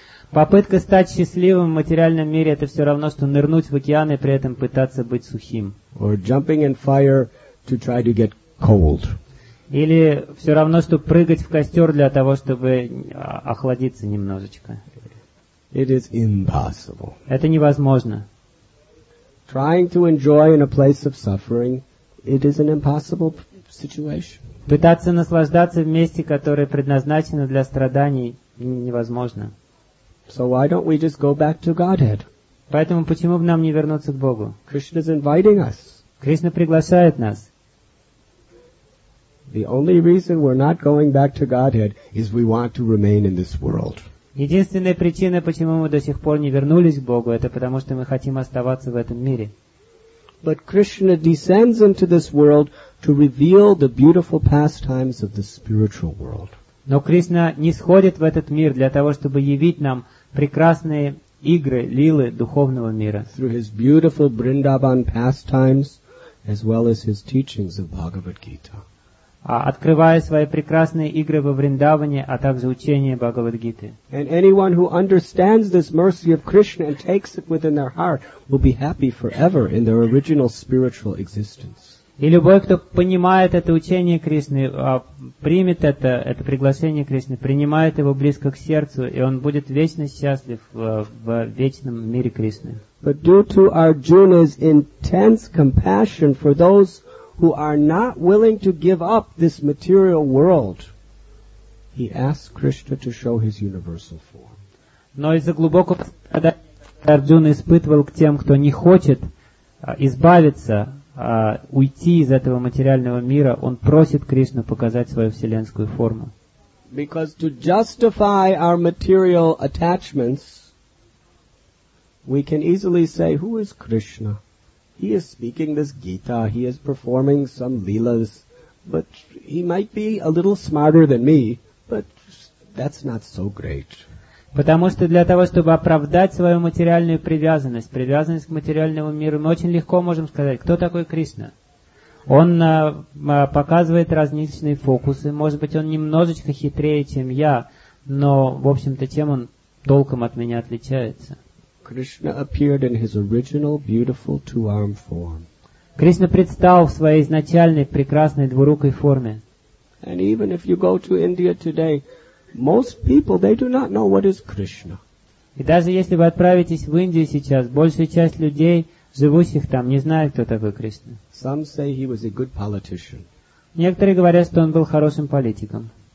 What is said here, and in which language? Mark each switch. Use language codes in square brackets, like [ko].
[ru] Попытка стать счастливым в материальном мире — это все равно, что нырнуть в океан и при этом пытаться быть сухим. [en] Or jumping in fire to try to get cold. [ru] Или все равно, что прыгать в костер для того, чтобы охладиться немножечко. [en] It is impossible. [ru] Это невозможно. [en] Trying to enjoy in a place of suffering, it is an impossible situation. [ru] Пытаться наслаждаться в месте, которое предназначено для страданий, невозможно. [en] So why don't we just go back to Godhead? [ru] Поэтому почему бы нам не вернуться к Богу? [en] Krishna is inviting us. [ru] Кришна приглашает нас. [en] The only reason we're not going back to Godhead is we want to remain in this world. [ru] Единственная причина, почему мы до сих пор не вернулись к Богу, это потому, что мы хотим оставаться в этом мире. [en] But Krishna descends into this world to reveal the beautiful pastimes of the spiritual world. [ru] Но Кришна не сходит в этот мир для того, чтобы явить нам прекрасные игры, лилы духовного мира. [en] Through his beautiful Vrindavan pastimes, as well as his teachings of Bhagavad Gita. [ru] Открывая свои прекрасные игры во Вриндаване, а также учения Бхагавад-гиты. [en] And anyone who understands this mercy of Krishna and takes it within their heart will be happy forever in their original spiritual existence. [ru] И любой, кто понимает это учение Кришны, примет это приглашение Кришны, принимает его близко к сердцу, и он будет вечно счастлив в вечном мире Кришны. [en] But due to Arjuna's intense compassion for those who are not willing to give up this material world, he asks Krishna to show his universal form. [ru] Но из-за глубокого страдания Арджуна испытывал к тем, кто не хочет избавиться, уйти из этого материального мира, он просит Кришну показать свою вселенскую форму. [en] Because to justify our material attachments, we can easily say, who is Krishna? He is speaking this Gita, he is performing some leelas, but he might be a little smarter than me, but that's not so great. [ru] Потому что для того, чтобы оправдать свою материальную привязанность, привязанность к материальному миру, мы очень легко можем сказать, кто такой Кришна. Он показывает различные фокусы, может быть, он немножечко хитрее, чем я, но, в общем-то, чем он толком от меня отличается? [en] Krishna appeared in his original beautiful two-arm form. [ru] Кришна предстал в своей изначальной прекрасной двурукой форме. [en] And even if you go to India today, most people, they do not know what is Krishna. [ru] И даже если вы отправитесь в Индию сейчас, большая часть людей, живущих там, не знает, кто такой Кришна. [en] Some say he was a good politician. [ru] Некоторые говорят, что он был хорошим политиком.